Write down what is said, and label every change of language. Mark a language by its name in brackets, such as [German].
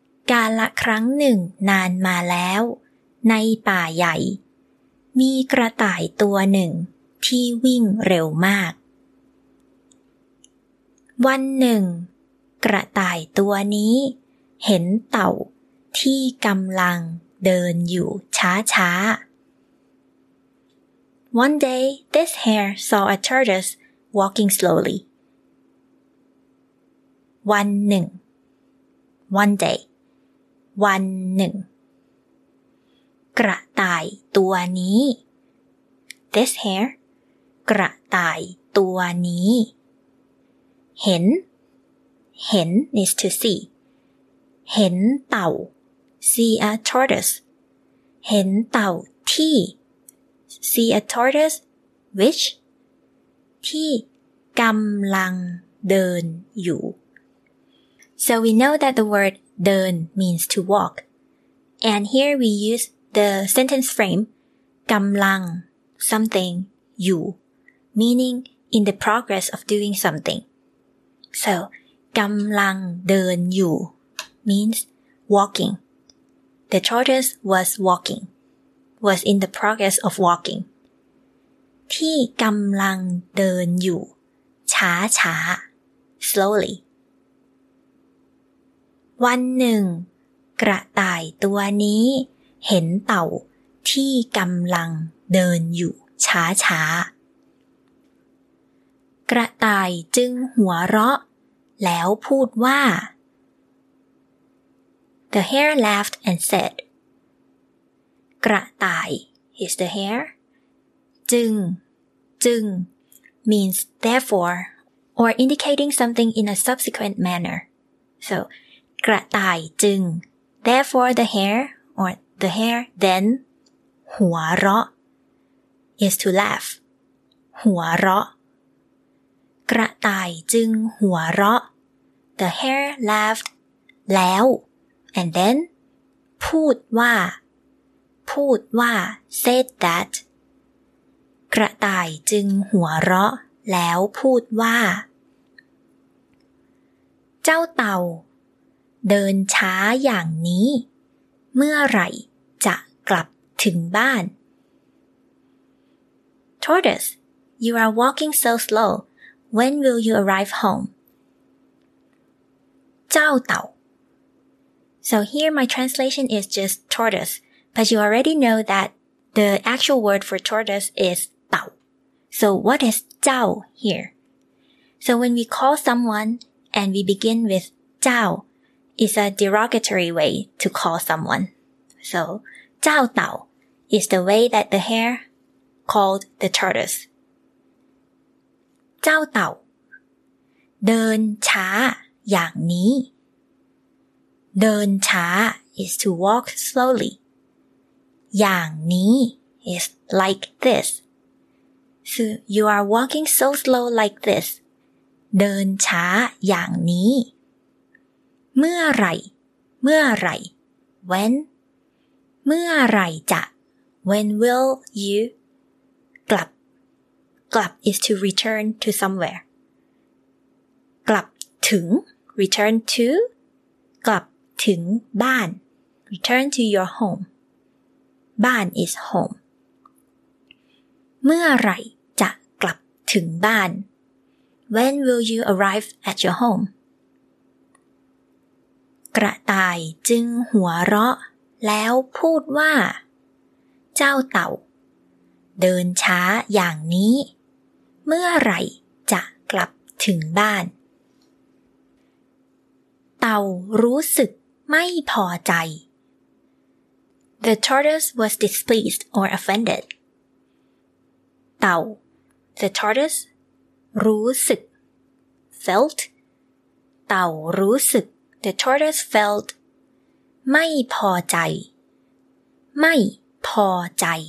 [Thai] กาลครั้งหนึ่งนานมาแล้วในป่าใหญ่มีกระต่ายตัวหนึ่งที่วิ่งเร็วมากวันหนึ่งกระต่ายตัวนี้เห็นเต่าที่กำลังเดินอยู่ช้าช้า [English] One day, this hare saw a tortoise walking slowly. [Thai] วันหนึ่ง [English] One day [Thai] วันหนึ่งกระต่ายตัวนี้ [English] This hare [Thai] กระต่ายตัวนี้เห็น [English] is to see [Thai] เห็นเต่า [English] see a tortoise [Thai] เห็นเต่าที่ [English] see a tortoise which [Thai] ที่กำลังเดินอยู่ [English] So we know that the word เดิน means to walk. And here we use The sentence frame กำลัง something อยู่ meaning in the progress of doing something. So [Thai] กำลังเดินอยู่ [English] means walking. The tortoise was walking, was in the progress of walking. [Thai] ที่กำลังเดินอยู่ช้าช้า [English] slowly. [Thai] วันหนึ่งกระต่ายตัวนี้เห็นเต่าที่กำลังเดินอยู่ช้าช้ากระต่ายจึงหัวเราะแล้วพูดว่า [English] The hare laughed and said กระต่าย is the hare จึง means therefore or indicating something in a subsequent manner so [Thai] กระต่ายจึง [English] therefore the hare orThe hare then หัวเราะ is to laugh. หัวเราะกระต่ายจึงหัวเราะ The hare laughed แล้ว and then พูดว่า said that กระต่ายจึงหัวเราะแล้วพูดว่าเจ้าเต่าเดินช้าอย่างนี้เมื่อไหร่จะกลับถึงบ้าน Tortoise, you are walking so slow. When will you arrive home? [Thai] เจ้าเต่า [English] So here my translation is just tortoise, but you already know that the actual word for tortoise is เต่า So what is เจ้า here? So when we call someone and we begin with เจ้า it's a derogatory way to call someone. So,เจ้าเต่า is the way that the hare called the tortoise. [Thai] เจ้าเต่าเดินช้าอย่างนี้เดินช้า [English] is to walk slowly. [Thai] อย่างนี้ is like this. [English] So you are walking so slow like this. [Thai] เดินช้าอย่างนี้เมื่อไหร่เมื่อไหร่ [English] when [Thai] เมื่อไรจะ [English] When will you กลับ is to return to somewhere [Thai] กลับถึง [English] return to [Thai] กลับถึงบ้าน [English] return to your home [Thai] บ้าน [English] is home [Thai] เมื่อไรจะกลับถึงบ้าน [English] When will you arrive at your home [Thai] กระต่ายจึงหัวเราะแล้วพูดว่าเจ้าเต่าเดินช้าอย่างนี้เมื่อไรจะกลับถึงบ้านเต่ารู้สึกไม่พอใจ [English] The tortoise was displeased or offended [Thai] เต่า [English] The tortoise [Thai] รู้สึก [English] felt [Thai] เต่ารู้สึก [English] The tortoise felt [Thai] ไม่พอใจไม่พอใจ